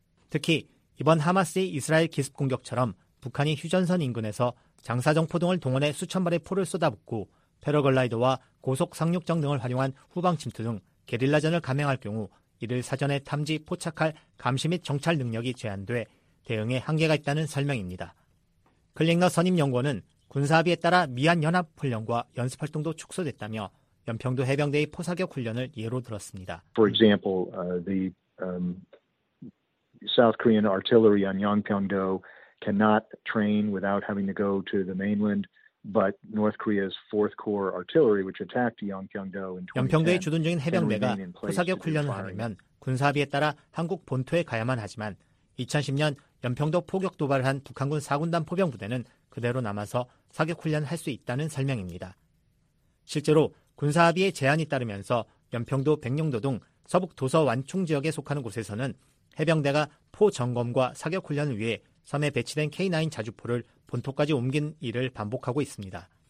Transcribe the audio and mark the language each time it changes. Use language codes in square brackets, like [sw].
[ko] 특히 이번 하마스의 이스라엘 기습 공격처럼 북한이 휴전선 인근에서 장사정포 등을 동원해 수천 발의 포를 쏟아붓고 패러글라이더와 고속 상륙정 등을 활용한 후방 침투 등 게릴라전을 감행할 경우 이를 사전에 탐지, 포착할 감시 및 정찰 능력이 제한돼 대응에 한계가 있다는 설명입니다. 클링너 선임연구원은 군사합의에 따라 미한 연합훈련과 연습활동도 축소됐다며 연평도 해병대의 포사격 훈련을 예로 들었습니다. [en] For example, the South Korean artillery on Yeongpyeongdo cannot train without having to go to the mainland, but North Korea's 4th Corps artillery which attacked Yeongpyeongdo in 2010. [ko] 연평도에 주둔 중인 해병대가 포사격 훈련을 하려면 군사합의에 따라 한국 본토에 가야만 하지만 2010년 연평도 포격 도발을 한 북한군 4군단 포병 부대는 그대로 남아서 사격 훈련을 할 수 있다는 설명입니다. 실제로 군사합의의 제한이 따르면서 연평도, 백령도 등 서북 도서 완충 지역에 속하는 곳에서는 해병대가 포 점검과 사격 훈련을 위해 섬에 배치된 K9 자주포를 본토까지 옮긴 일을 반복하고 있습니다.